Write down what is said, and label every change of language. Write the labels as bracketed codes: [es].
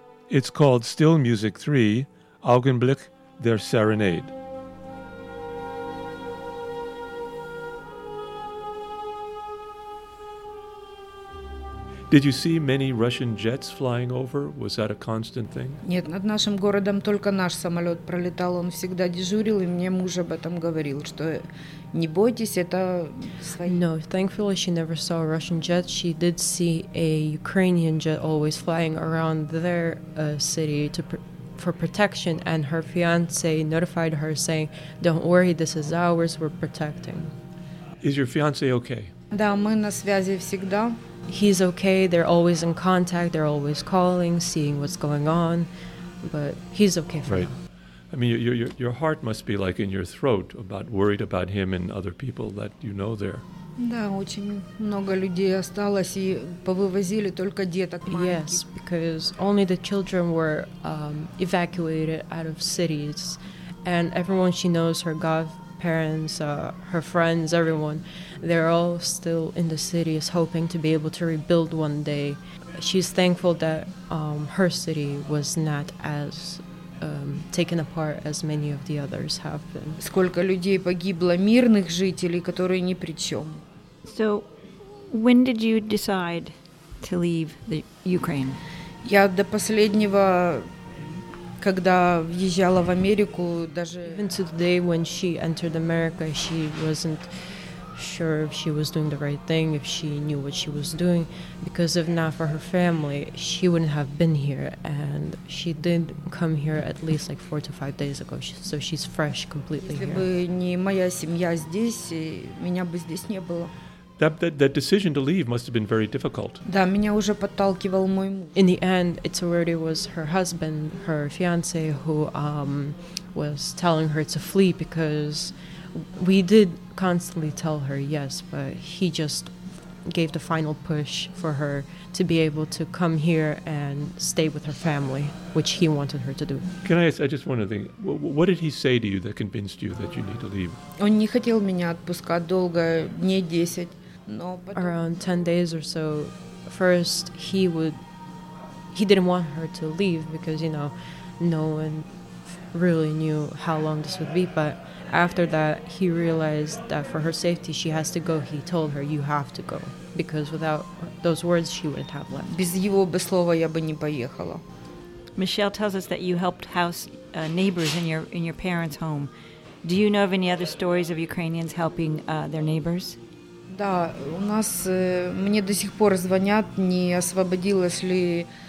[en] It's called Still Music 3, Augenblick der Serenade. Did you see many Russian jets flying over? Was that a constant thing? [ru] Нет, над нашим городом только наш самолет пролетал. Он всегда дежурил, и мне муж об этом говорил, что не бойтесь, это свои. [en] No, thankfully she never saw a Russian jet. She did see a Ukrainian jet always flying around their city for protection, and her fiancé notified her saying, "Don't worry, this is ours, we're protecting." Is your fiancé okay? [ru] Да, мы на связи всегда. [en] He's okay, they're always in contact, they're always calling, seeing what's going on, but he's okay for right. now. I mean, your heart must be like in your throat, about worried about him and other people that you know there. [ru] Да, очень много людей осталось, и повывозили только деток маленьких. [en] Yes, because only the children were evacuated out of cities, and everyone she knows, her godparents, her friends, everyone, they're all still in the city, is hoping to be able to rebuild one day. She's thankful that her city was not as taken apart as many of the others have been. [ru] Сколько людей погибло мирных жителей, которые ни при чем. [en] So, when did you decide to leave the Ukraine? [ru] Я до последнего, когда въезжала в Америку, даже... [en] Even to the day when she entered America, she wasn't sure if she was doing the right thing, if she knew what she was doing, because if not for her family, she wouldn't have been here. And she did come here at least like 4 to 5 days ago, so she's fresh completely here. [ru] Если бы не моя семья здесь, меня бы здесь не было. [en] That decision to leave must have been very difficult. [ru] Да, меня уже подталкивал мой муж. [en] In the end, it's already was her husband, her fiance, who was telling her to flee, because we did constantly tell her yes, but he just gave the final push for her to be able to come here and stay with her family, which he wanted her to do. Can I ask, I just want to think, what did he say to you that convinced you that you need to leave? [ru] Он не хотел меня отпускать долго, дней 10, но потом... [en] Around 10 days or so, first he didn't want her to leave because, you know, no one really knew how long this would be, but after that, he realized that for her safety, she has to go. He told her, "You have to go," because without those words, she wouldn't have left. [ru] Без его бы слова я бы не поехала. [en] Michelle tells us that you helped house neighbors in your parents' home. Do you know of any other stories of Ukrainians helping their neighbors? [ru] Да, у нас мне до сих пор звонят, не освободилось ли.